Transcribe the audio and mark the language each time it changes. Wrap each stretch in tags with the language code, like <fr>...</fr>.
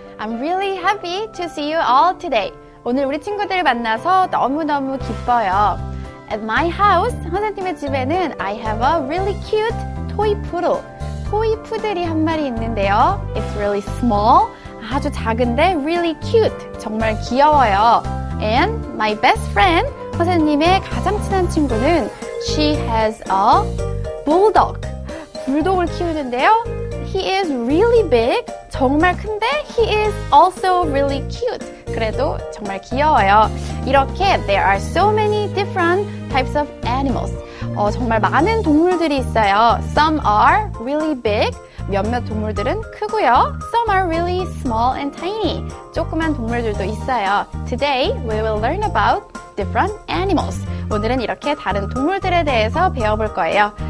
<en>I'm really happy to see you all today.</en> <ko>오늘 우리 친구들 만나서 너무너무 기뻐요.</ko> <en>At my house,</en> <ko>선생님의 집에는</ko> <en>I have a really cute toy poodle.</en> <ko>토이 푸들이 한 마리 있는데요.</ko> <en>It's really small.</en> <ko>아주 작은데</ko> <en>really cute.</en> <ko>정말 귀여워요.</ko> <en>And my best friend,</en> <ko>선생님의 가장 친한 친구는</ko> <en>she has a bulldog.</en> <ko>불독을 키우는데요.</ko> <en>He is really big.</en> <ko>정말 큰데</ko> <en>he is also really cute.</en> <ko>그래도 정말 귀여워요. 이렇게</ko> <en>there are so many different types of animals.</en> <ko>정말 많은 동물들이 있어요.</ko> <en>Some are really big.</en> <ko>몇몇 동물들은 크고요.</ko> <en>Some are really small and tiny.</en> <ko>조그만 동물들도 있어요.</ko> <en>Today we will learn about different animals.</en> <ko>오늘은 이렇게 다른 동물들에 대해서 배워볼 거예요.</ko>